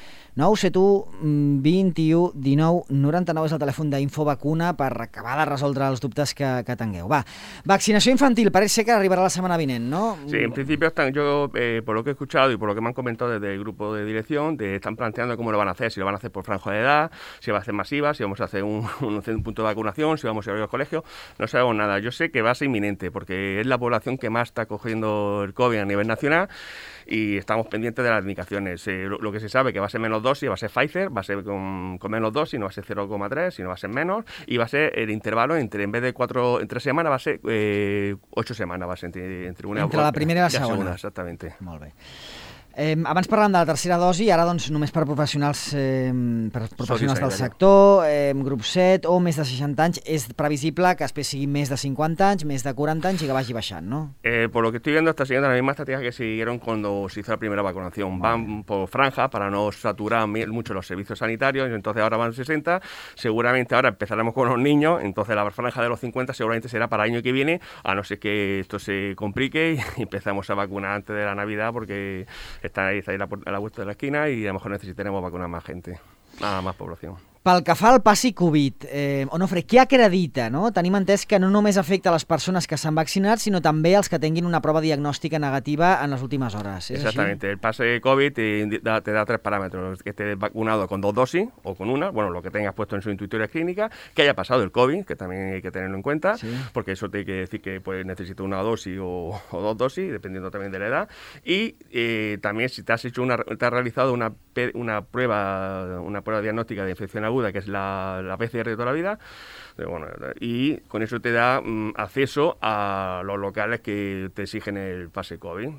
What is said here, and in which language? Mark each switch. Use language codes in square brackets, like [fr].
[ca] 971-21-19-99 és el telèfon d'Infovacuna per acabar de resoldre els dubtes que tingueu. Va, vaccinació infantil, pareix ser que arribarà la setmana vinent, no? [es] Sí, [ca] en principi, [es] por lo que he escuchado y por lo que me han comentado desde el grupo de dirección, están planteando cómo lo van a hacer, si lo van a hacer por franja de edad, si va a ser masiva, si vamos a hacer un punto de vacunación, si vamos a abrir los colegios, no sabemos nada. Yo sé que va a ser inminente, porque es la población que más está cogiendo el COVID a nivel nacional, y estamos pendientes de las indicaciones. Lo que se sabe que va a ser menos dosis, va a ser Pfizer, va a ser con menos dosis, no va a ser 0,3, sino va a ser menos, y va a ser el intervalo entre, en vez de 4 en 3 semanas, va a ser 8 semanas, va a ser entre una entre la primera y la segunda. Exactamente. [ca] Molt bé. Abans parlàvem de la tercera dosi, ara doncs, només per professionals del sector, grup 7 o més de 60 anys, és previsible que després sigui més de 50 anys, més de 40 anys i que vagi baixant, no? [es] Por lo que estoy viendo, está siguiendo la misma estrategia que siguieron cuando se hizo la primera vacunación. Vale. Van por franja para no saturar mucho los servicios sanitarios, entonces ahora van 60, seguramente ahora empezaremos con los niños, entonces la franja de los 50 seguramente será para el año que viene, a no ser que esto se complique y empezamos a vacunar antes de la Navidad, porque está ahí a la vuelta de la esquina y a lo mejor necesitaremos vacunar más gente, más población. [ca] Pel que fa al passi Covid, Onofre, què acredita? No? Tenim entès que no només afecta les persones que s'han vaccinat, sinó també els que tinguin una prova diagnòstica negativa en les últimes hores. Exactament. El passi Covid [es] te da [ca] 3 paràmetres. [es] Que estés vacunado con 2 dosis o con una, bueno, lo que tengas puesto en su intuitoria clínica, que haya pasado el Covid, que también hay que tenerlo en cuenta, sí. Porque eso tiene que decir que pues, necesito una dosis o 2 dosis, dependiendo también de la edad. Y también si te has realizado una prueba diagnóstica de infección aguda, que es la PCR de toda la vida, bueno, y con eso te da acceso a los locales que te exigen el pase COVID.